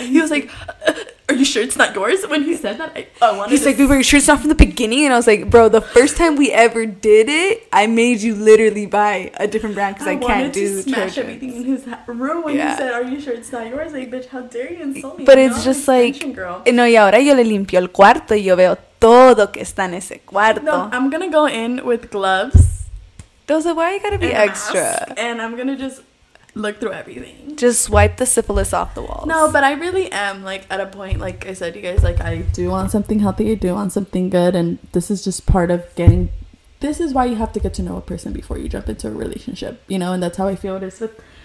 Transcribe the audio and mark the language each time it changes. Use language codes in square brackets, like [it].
[en] he was like, are you sure it's not yours? When he said that, I wanted he's like, dude, are you sure it's not from the beginning? And I was like, bro, the first time we ever did it, I made you literally buy a different brand because I can't do Trojans. I wanted to smash everything in his room when he said, are you sure it's not yours? Like, bitch, how dare you insult me? But it's just like, girl. [es] No, y ahora yo le limpio el cuarto y yo veo todo que está en ese cuarto. [en] No, I'm going to go in with gloves. Those are why you got to be and extra. Mask, and I'm going to just... look through everything. Just wipe the syphilis off the walls. No, but I really am, like, at a point, like I said, you guys, like, I do want something healthy. I do want something good. And this is just part of getting... this is why you have to get to know a person before you jump into a relationship, you know? And that's how I feel it is with